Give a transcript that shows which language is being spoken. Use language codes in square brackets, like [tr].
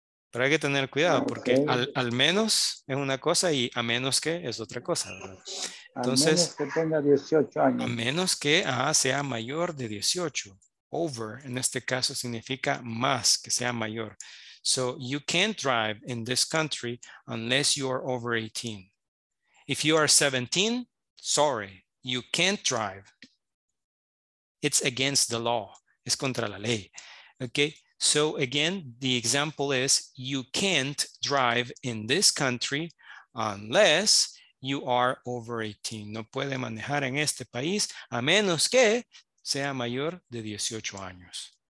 [es] Pero hay que tener cuidado porque okay. al menos es una cosa y a menos que es otra cosa, ¿verdad? Entonces, al menos que tenga 18 años. A menos que sea mayor de 18. Over, en este caso, significa más, que sea mayor. [en] So, you can't drive in this country unless you are over 18. If you are 17, sorry, you can't drive. It's against the law. [es] Es contra la ley. [en] Okay, so again, the example is, you can't drive in this country unless you are over 18. [es] No puede manejar en este país a menos que sea mayor de 18 años.